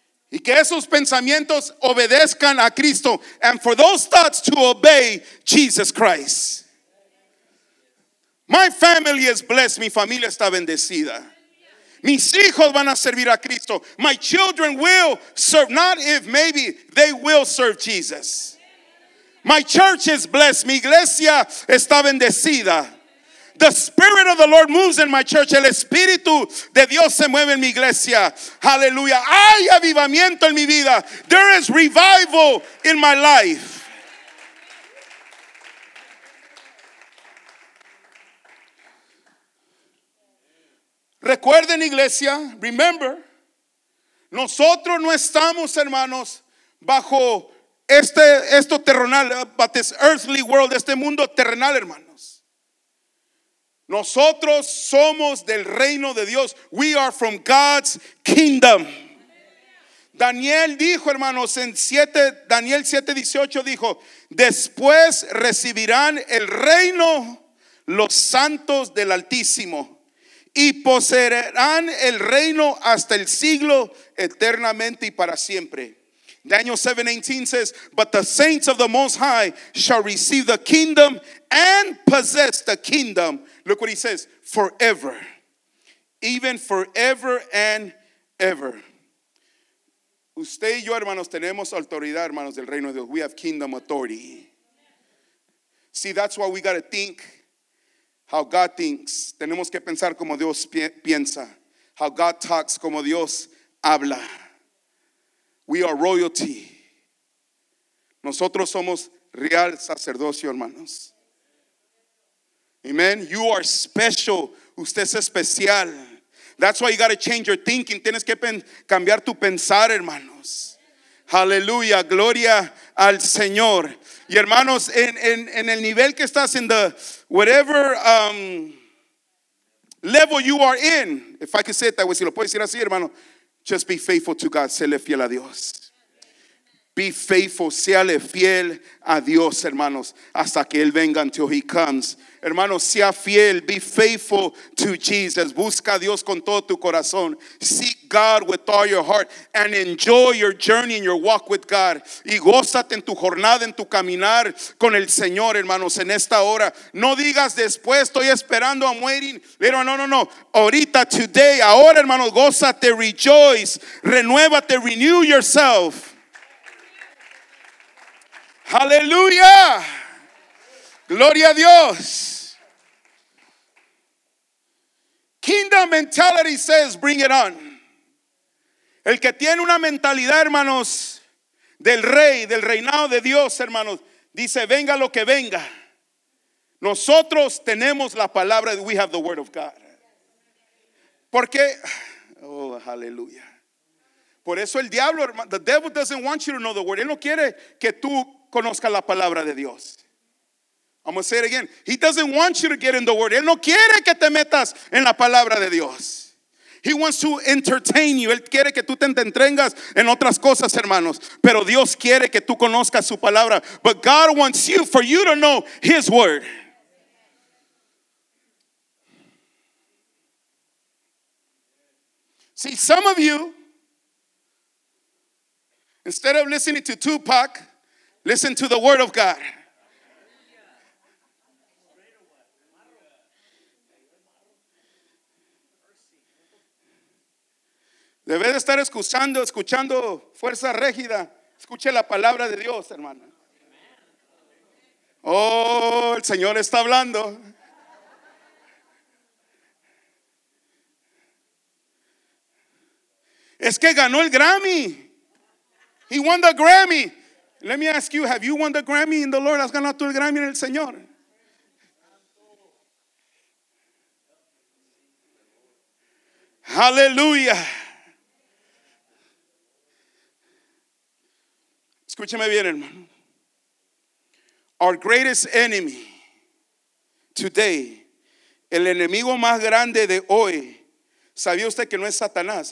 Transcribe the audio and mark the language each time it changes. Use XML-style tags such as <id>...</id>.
<es>Y que esos pensamientos obedezcan a Cristo.</es> <en>And for those thoughts to obey Jesus Christ. My family is blessed.</en> <es>Mi familia está bendecida. Mis hijos van a servir a Cristo.</es> <en>My children will serve. Not if, maybe, they will serve Jesus. My church is blessed.</en> <es>Mi iglesia está bendecida.</es> <en>The Spirit of the Lord moves in my church.</en> <es>El Espíritu de Dios se mueve en mi iglesia. Hallelujah. Hay avivamiento en mi vida.</es> <en>There is revival in my life.</en> <es>Recuerden, iglesia,</es> <en>remember,</en> <es>nosotros no estamos, hermanos, bajo esto terrenal,</es> <en>but this earthly world,</en> <es>este mundo terrenal, hermano. Nosotros somos del reino de Dios.</es> <en>We are from God's kingdom.</en> <es>Daniel dijo, hermanos, en Daniel 7:18 dijo, después recibirán el reino los santos del Altísimo y poseerán el reino hasta el siglo eternamente y para siempre.</es> <en>Daniel 7:18 says, but the saints of the Most High shall receive the kingdom and possess the kingdom. Look what he says, forever. Even forever and ever.</en> <es>Usted y yo, hermanos, tenemos autoridad, hermanos, del reino de Dios.</es> <en>We have kingdom authority. See, that's why we got to think how God thinks.</en> <es>Tenemos que pensar como Dios piensa.</es> <en>How God talks,</en> <es>como Dios habla.</es> <en>We are royalty.</en> <es>Nosotros somos real sacerdocio, hermanos. Amen.</es> <en>You are special.</en> <es>Usted es especial.</es> <en>That's why you got to change your thinking.</en> <es>Tienes que cambiar tu pensar, hermanos. Aleluya. Gloria al Señor. Y hermanos, en el nivel que estás, en</es> <en>the whatever level you are in, if I could say it that way,</en> <es>si lo puedo decir así, hermano,</es> <en>just be faithful to God.</en> <es>Séle fiel a Dios.</es> <en>Be faithful.</en> <es>Séle fiel a Dios, hermanos, hasta que Él venga,</es> <en>until He comes.</en> <es>Hermanos, sea fiel.</es> <en>Be faithful to Jesus.</en> <es>Busca a Dios con todo tu corazón.</es> <en>Seek God with all your heart and enjoy your journey and your walk with God.</en> <es>Y gózate en tu jornada, en tu caminar con el Señor, hermanos, en esta hora. No digas después, estoy esperando,</es> <en>I'm waiting.</en> <es>Pero no, no, no. Ahorita,</es> <en>today,</en> <es>ahora, hermanos, gózate,</es> <en>rejoice.</en> <es>Renuévate,</es> <en>renew yourself.</en> <es>Aleluya. Gloria a Dios.</es> <en>Kingdom mentality says, bring it on.</en> <es>El que tiene una mentalidad, hermanos, del rey, del reinado de Dios, hermanos, dice, venga lo que venga. Nosotros tenemos la palabra,</es> <en>we have the word of God.</en> <es>Porque, oh, aleluya. Por eso el diablo,</es> <en>the devil doesn't want you to know the word.</en> <es>Él no quiere que tú conozcas la palabra de Dios.</es> <en>I'm going to say it again. He doesn't want you to get in the word.</en> <es>Él no quiere que te metas en la palabra de Dios.</es> <en>He wants to entertain you.</en> <es>Él quiere que tú te entretengas en otras cosas, hermanos. Pero Dios quiere que tú conozcas su palabra.</es> <en>But God wants you, for you to know His word. See, some of you, instead of listening to Tupac, listen to the word of God.</en> <es>Debe de estar escuchando fuerza rígida. Escuche la palabra de Dios, hermano. Oh, el Señor está hablando. Es que ganó el Grammy.</es> <en>He won the Grammy. Let me ask you, have you won the Grammy in the Lord?</en> <es>¿Has ganado tú el Grammy en el Señor? Aleluya. Escúcheme bien, hermano.</es> <en>Our greatest enemy today,</en> <es>el enemigo más grande de hoy, ¿sabía usted que no es Satanás?</es>